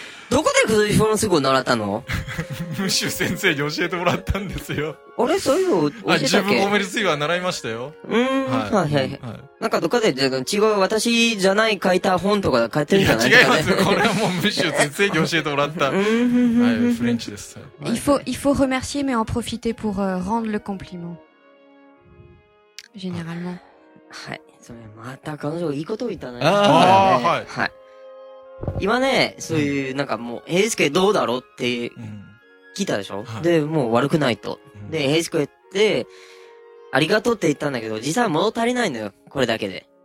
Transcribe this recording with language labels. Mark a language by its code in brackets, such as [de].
[ja] どこでフランス語を習ったの？ムシュ先生に教えてもらったんですよ。あれ、そういうの教えたっけ？自分褒めるついは習いましたよ。はいはいはい。なんかどっかで違う、私じゃない書いた本とか買ってるんじゃないですか、ね、違います。これはもうムシュ先生に教えてもらった。はい、フレンチです。 [fr] il faut remercier, mais en profiter pour rendre le compliment. Généralement. [ja] はい。それ、また彼女いいことを言ったね。ああ、はい。はい。今ね、そういう、なんかもう、平介どうだろうって聞いたでしょ、うん、はい、で、もう悪くないと。うん、で、平介って、ありがとうって言ったんだけど、実は物足りないのよ、これだけで。